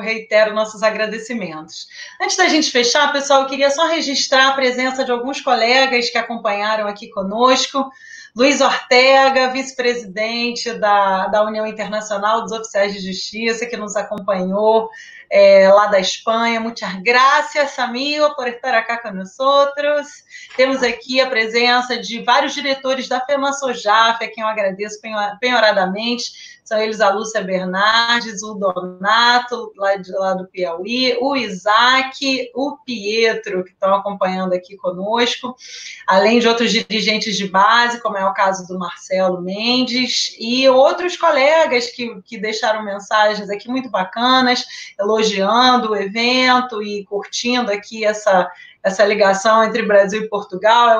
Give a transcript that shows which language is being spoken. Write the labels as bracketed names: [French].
[Portuguese] Reitero nossos agradecimentos. Antes da gente fechar, pessoal, eu queria só registrar a presença de alguns colegas que acompanharam aqui conosco. Luiz Ortega, vice-presidente da União Internacional dos Oficiais de Justiça, que nos acompanhou lá da Espanha. [Spanish] Muchas gracias, amigo, por estar acá con nosotros. [Portuguese] Temos aqui a presença de vários diretores da FEMASOJAF, a quem eu agradeço penhoradamente. São eles a Lúcia Bernardes, o Donato, lá do Piauí, o Isaac, o Pietro, que estão acompanhando aqui conosco, além de outros dirigentes de base, como é o caso do Marcelo Mendes, e outros colegas que deixaram mensagens aqui muito bacanas, elogiando o evento e curtindo aqui essa ligação entre Brasil e Portugal.